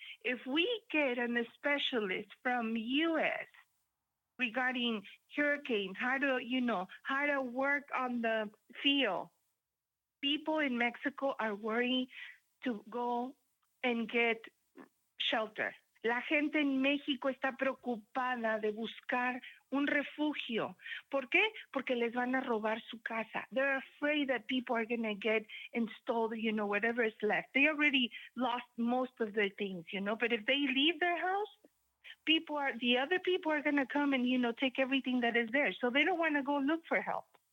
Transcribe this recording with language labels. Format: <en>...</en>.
<en>If we get a specialist from U.S. regarding hurricanes, how to work on the field, people in Mexico are worried to go and get shelter.</en> <es>La gente en México está preocupada de buscar un refugio. ¿Por qué? Porque les van a robar su casa.</es> <en>They're afraid that people are going to get installed, you know, whatever is left. They already lost most of their things, you know. But if they leave their house, the other people are going to come and, you know, take everything that is there. So they don't want to go look for help.</en>